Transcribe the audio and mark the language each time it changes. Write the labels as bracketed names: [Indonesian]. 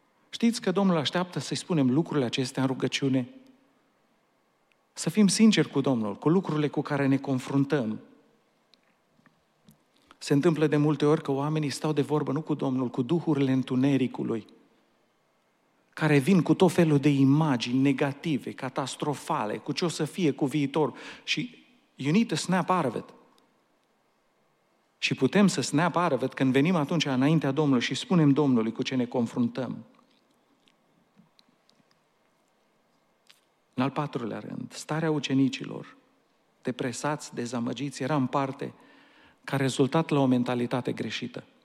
[Romanian] Știți că Domnul așteaptă să-i spunem lucrurile acestea în rugăciune? Să fim sinceri cu Domnul, cu lucrurile cu care ne confruntăm. Se întâmplă de multe ori că oamenii stau de vorbă nu cu Domnul, cu duhurile întunericului, care vin cu tot felul de imagini negative, catastrofale, cu ce o să fie, cu viitor. [English] Și you need to snap out of it. [Romanian] Și putem să [English] snap out of it [Romanian] când venim atunci înaintea Domnului și spunem Domnului cu ce ne confruntăm. În al patrulea rând, starea ucenicilor, depresați, dezamăgiți, era în parte ca rezultat la o mentalitate greșită.